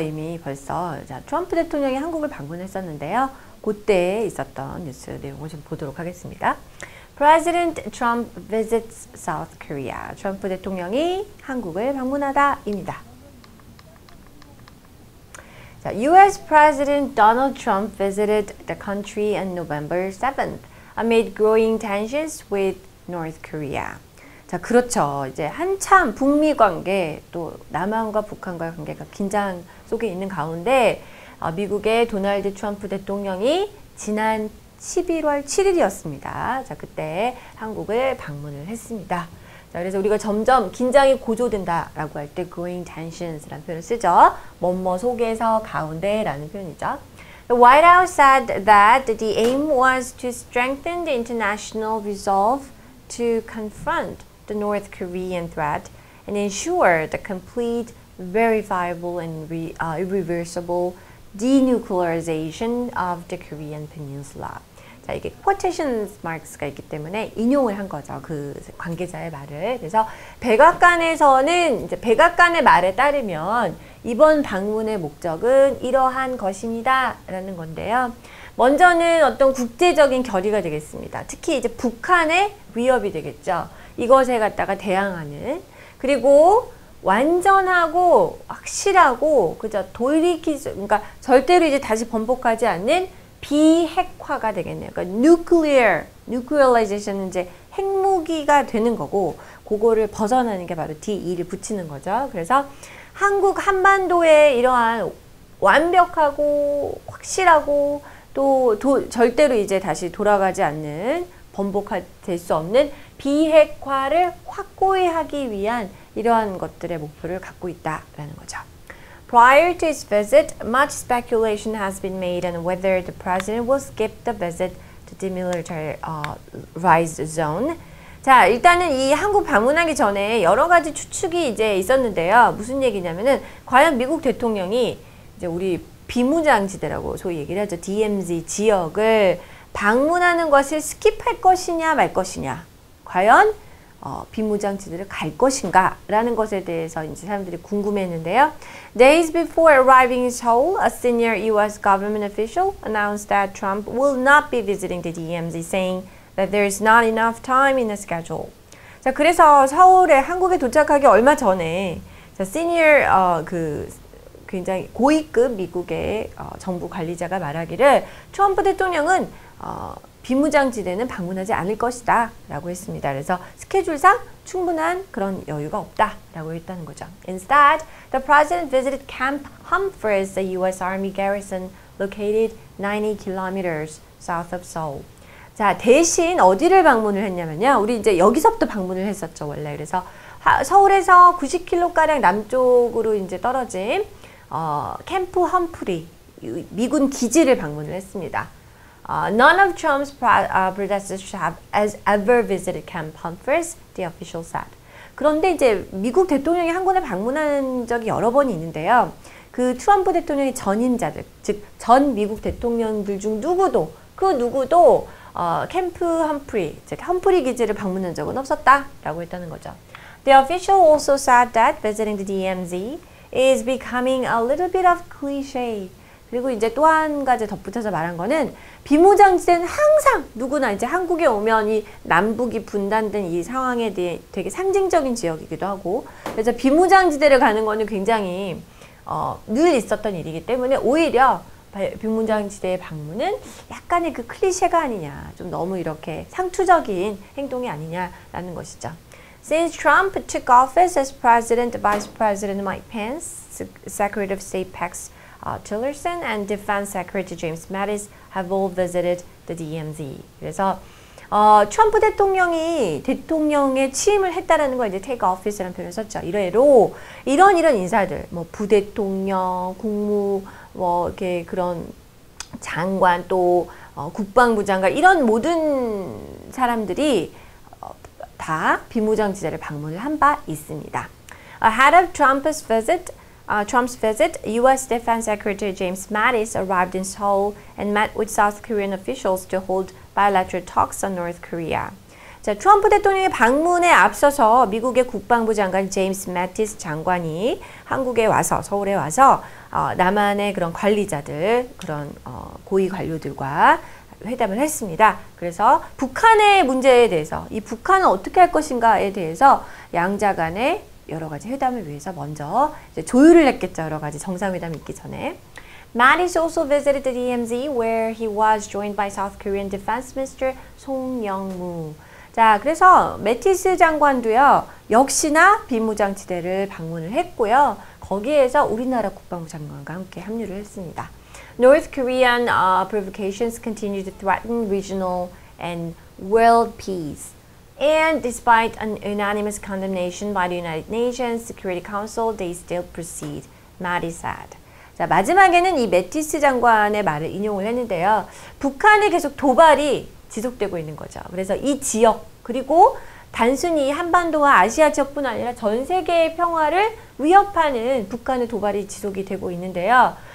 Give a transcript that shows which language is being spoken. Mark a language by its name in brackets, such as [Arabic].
[Korean] 이미 벌써 자, 트럼프 대통령이 한국을 방문했었는데요. 그때 있었던 뉴스 내용을 좀 보도록 하겠습니다. [English] President Trump visits South Korea. [Korean] 트럼프 대통령이 한국을 방문하다입니다. [English] 자, US President Donald Trump visited the country on November 7th amid growing tensions with North Korea. [Korean] 자, 그렇죠. 이제 한참 북미 관계 또 남한과 북한과의 관계가 긴장 속에 있는 가운데 미국의 도널드 트럼프 대통령이 지난 11월 7일이었습니다. 자, 그때 한국을 방문을 했습니다. 자, 그래서 우리가 점점 긴장이 고조된다라고 할 때 [English] growing tensions [Korean] 라는 표현을 쓰죠. 뭐뭐 속에서 가운데라는 표현이죠. [English] The White House said that the aim was to strengthen the international resolve to confront the North Korean threat and ensure the complete, verifiable, and irreversible denuclearization of the Korean Peninsula. [Korean] 자, 이게 quotation marks가 있기 때문에 인용을 한 거죠. 그 관계자의 말을. 그래서 백악관에서는 이제 백악관의 말에 따르면 이번 방문의 목적은 이러한 것입니다. 라는 건데요. 먼저는 어떤 국제적인 결의가 되겠습니다. 특히 이제 북한의 위협이 되겠죠. 이것에 갖다가 대항하는. 그리고 완전하고 확실하고, 그죠. 돌이키, 그러니까 절대로 이제 다시 번복하지 않는 비핵화가 되겠네요. 그러니까 nuclearization은 이제 핵무기가 되는 거고, 그거를 벗어나는 게 바로 D2를 붙이는 거죠. 그래서 한국 한반도에 이러한 완벽하고 확실하고, 또 절대로 이제 다시 돌아가지 않는, 번복될 수 없는 비핵화를 확고히 하기 위한 이러한 것들의 목표를 갖고 있다라는 거죠. [English] Prior to his visit, much speculation has been made on whether the president will skip the visit to demilitarized zone. [Korean] 자, 일단은 이 한국 방문하기 전에 여러 가지 추측이 이제 있었는데요. 무슨 얘기냐면은 과연 미국 대통령이 이제 우리 비무장지대라고 소위 얘기를 하죠. DMZ 지역을 방문하는 것을 스킵할 것이냐 말 것이냐. 과연 비무장지대를 갈 것인가? 라는 것에 대해서 이제 사람들이 궁금했는데요. [English] Days before arriving in Seoul, a senior U.S. government official announced that Trump will not be visiting the DMZ, saying that there is not enough time in the schedule. [Korean] 자, 그래서 서울에 한국에 도착하기 얼마 전에 자, senior 굉장히 고위급 미국의 정부 관리자가 말하기를 트럼프 대통령은 비무장지대는 방문하지 않을 것이다 라고 했습니다. 그래서 스케줄상 충분한 그런 여유가 없다 라고 했다는 거죠. [English] Instead, the president visited Camp Humphreys, the U.S. Army garrison located 90 kilometers south of Seoul. [Korean] 자, 대신 어디를 방문을 했냐면요. 우리 이제 여기서부터 방문을 했었죠, 원래. 그래서 서울에서 90km가량 남쪽으로 이제 떨어진 캠프 험프리, 미군 기지를 방문을 했습니다. [English] None of Trump's predecessors has ever visited Camp Humphreys, the official said. [Korean] 그런데 이제 미국 대통령이 한 군데 방문한 적이 여러 번이 있는데요. 그 트럼프 대통령의 전임자들, 즉 전 미국 대통령들 중 누구도, 그 누구도 캠프 험프리, 즉 험프리 기지를 방문한 적은 없었다라고 했다는 거죠. [English] The official also said that visiting the DMZ is becoming a little bit of cliche. [Korean] 그리고 이제 또 한 가지 덧붙여서 말한 거는 비무장지대는 항상 누구나 이제 한국에 오면 이 남북이 분단된 이 상황에 대해 되게 상징적인 지역이기도 하고, 그래서 비무장지대를 가는 거는 굉장히 늘 있었던 일이기 때문에 오히려 비무장지대의 방문은 약간의 그 클리셰가 아니냐, 좀 너무 이렇게 상투적인 행동이 아니냐라는 것이죠. [English] Since Trump took office as president, Vice President Mike Pence, Secretary of State Pax Tillerson, and Defense Secretary James Mattis have all visited the DMZ. [Korean] 그래서 트럼프 대통령이 대통령에 취임을 했다라는 걸 이제 [English] take office [Korean] 라는 표현을 썼죠. 이래로 이런 인사들, 뭐 부대통령, 국무 뭐 이렇게 그런 장관 또 국방부 장관 이런 모든 사람들이 다 비무장지대를 방문을 한 바 있습니다. [English] Ahead of Trump's visit, U.S. Defense Secretary James Mattis arrived in Seoul and met with South Korean officials to hold bilateral talks on North Korea. [Korean] 자, 트럼프 대통령의 방문에 앞서서 미국의 국방부 장관 제임스 매티스 장관이 한국에 와서 서울에 와서 남한의 그런 관리자들 그런 고위 관료들과 회담을 했습니다. 그래서 북한의 문제에 대해서 이 북한은 어떻게 할 것인가에 대해서 양자 간의 여러 가지 회담을 위해서 먼저 이제 조율을 했겠죠. 여러 가지 정상회담 있기 전에. [English] Mattis also visited the DMZ where he was joined by South Korean Defense Minister Song Young-mu. [Korean] 자, 그래서 매티스 장관도요. 역시나 비무장지대를 방문을 했고요. 거기에서 우리나라 국방부 장관과 함께 합류를 했습니다. [English] North Korean provocations continue to threaten regional and world peace. And despite an unanimous condemnation by the United Nations Security Council, they still proceed, Mattis said. [Korean] 자, 마지막에는 이 매티스 장관의 말을 인용을 했는데요. 북한의 계속 도발이 지속되고 있는 거죠. 그래서 이 지역 그리고 단순히 한반도와 아시아 지역뿐 아니라 전 세계의 평화를 위협하는 북한의 도발이 지속이 되고 있는데요.